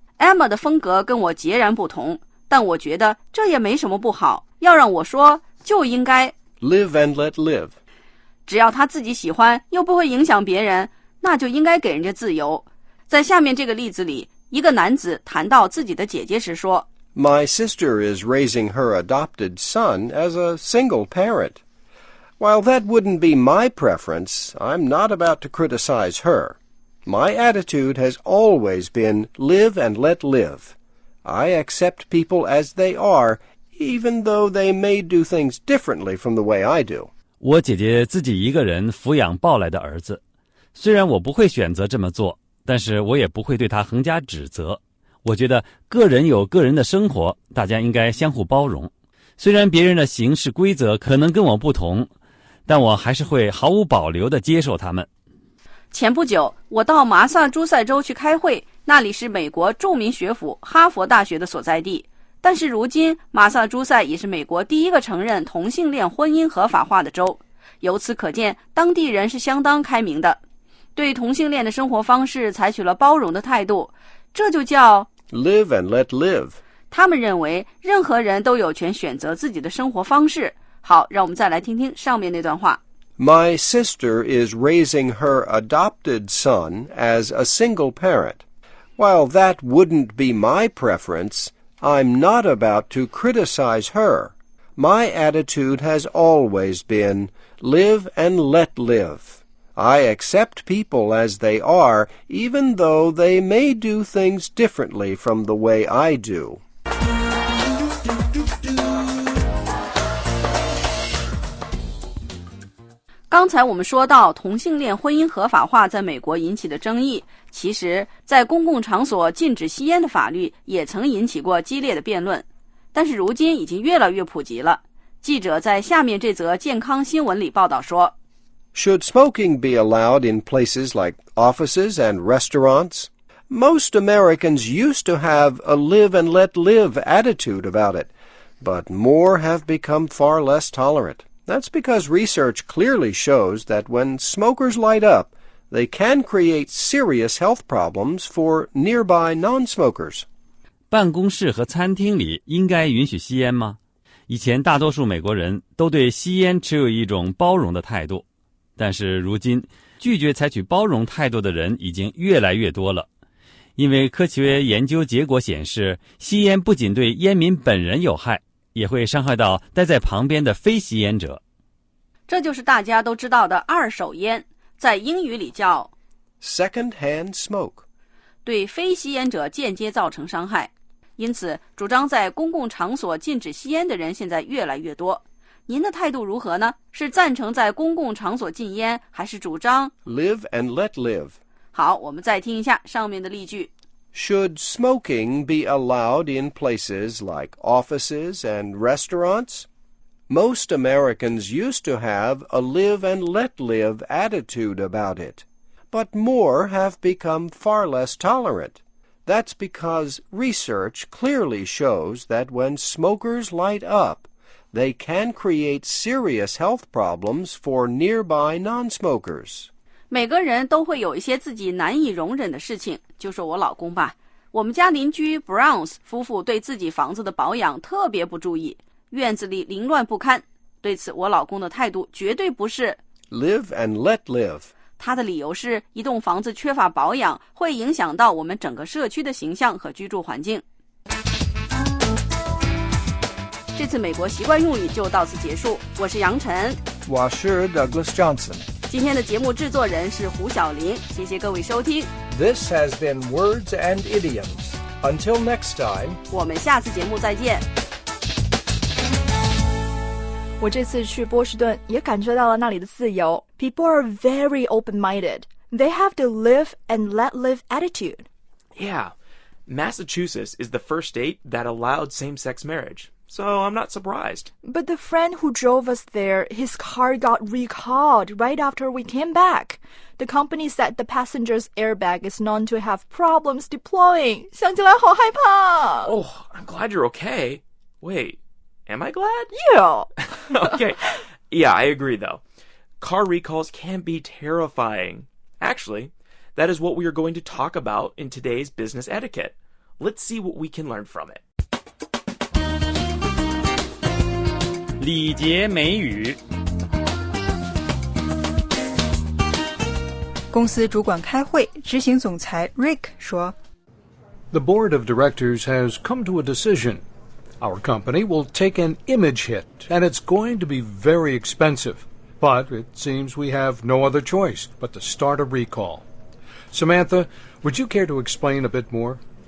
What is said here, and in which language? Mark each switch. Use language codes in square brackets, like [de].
[zh] Emma 的风格跟我截然不同，但我觉得这也没什么不好。要让我说就应该。 [en] Live and let live. [zh] 只要他自己喜欢又不会影响别人，那就应该给人家自由。在下面这个例子里，一个男子谈到自己的姐姐时说， [en] My sister is raising her adopted son as a single parent. While that wouldn't be my preference, I'm not about to criticize her. My attitude has always been live and let live. I accept people as they are, even though they may do things differently from the way I do. [zh] 我姐姐自己一个人抚养抱来的儿子。虽然我不会选择这么做，但是我也不会对她横加指责。我觉得个人有个人的生活，大家应该相互包容。虽然别人的行事规则可能跟我不同，但我还是会毫无保留地接受他们。前不久，我到马萨诸塞州去开会，那里是美国著名学府哈佛大学的所在地。但是如今，马萨诸塞也是美国第一个承认同性恋婚姻合法化的州。由此可见，当地人是相当开明的，对同性恋的生活方式采取了包容的态度。这就叫 [en] live and let live. [zh] 他们认为任何人都有权选择自己的生活方式。好，让我们再来听听上面那段话。 [en] My sister is raising her adopted son as a single parent. While that wouldn't be my preference, I'm not about to criticize her. My attitude has always been, live and let live. I accept people as they are, even though they may do things differently from the way I do. [zh] 刚才我们说到同性恋婚姻合法化在美国引起的争议，其实在公共场所禁止吸烟的法律也曾引起过激烈的辩论，但是如今已经越来越普及了。记者在下面这则健康新闻里报道说， [en] Should smoking be allowed in places like offices and restaurants? Most Americans used to have a live and let live attitude about it, but more have become far less tolerant. That's because research clearly shows that when smokers light up, they can create serious health problems for nearby non-smokers. [zh] 办公室和餐厅里应该允许吸烟吗？以前大多数美国人都对吸烟持有一种包容的态度，但是如今，拒绝采取包容态度的人已经越来越多了。因为科学研究结果显示，吸烟不仅对烟民本人有害，也会伤害到待在旁边的非吸烟者。这就是大家都知道的二手烟，在英语里叫 [en] Secondhand smoke， [zh] 对非吸烟者间接造成伤害。因此主张在公共场所禁止吸烟的人现在越来越多。您的态度如何呢？是赞成在公共场所禁烟，还是主张 [en] Live and let live？ [zh] 好，我们再听一下上面的例句。 [en] Should smoking be allowed in places like offices and restaurants? Most Americans used to have a live and let live attitude about it, but more have become far less tolerant. That's because research clearly shows that when smokers light up, they can create serious health problems for nearby non-smokers. [zh] 每个人都会有一些自己难以容忍的事情，就说我老公吧。我们家邻居 Browns 夫妇对自己房子的保养特别不注意，院子里凌乱不堪。对此我老公的态度绝对不是 [en] Live and let live。 [zh] 他的理由是一栋房子缺乏保养会影响到我们整个社区的形象和居住环境。这次美国习惯用语就到此结束，我是杨晨，我是 Douglas Johnson。今天的节目制作人是胡晓玲，谢谢各位收听。 [en] This has been Words and Idioms. Until next time. [zh] 我们下次节目再见。我这次去波士顿也感觉到了那里的自由。 [en] People are very open-minded. They have the live and let live attitude. Yeah. Massachusetts is the first state that allowed same-sex marriage. So I'm not surprised. But the friend who drove us there, his car got recalled right after we came back. The company said the passenger's airbag is known to have problems deploying. [zh] 想起来好害怕。 [en] Oh, I'm glad you're okay. Wait, am I glad? Yeah. Okay. Yeah, I agree though. Car recalls can be terrifying. Actually, that is what we are going to talk about in today's business etiquette. Let's see what we can learn from it. [zh] 礼节美语。公司主管开会，执行总裁 Rick 说 [en] The board of directors has come to a decision. Our company will take an image hit, and it's going to be very expensive. But it seems we have no other choice but to start a recall. Samantha, would you care to explain a bit more?